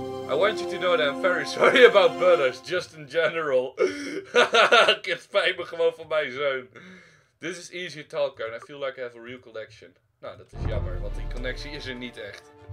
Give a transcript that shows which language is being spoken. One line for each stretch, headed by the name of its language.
English: I want you to know that I'm very sorry about Butters. Just in general.
Dutch: Het spijt me gewoon van mijn zoon.
English: This is easier talker and I feel like I have a real connection.
Dutch: Nou, dat is jammer, want die connectie is er niet echt.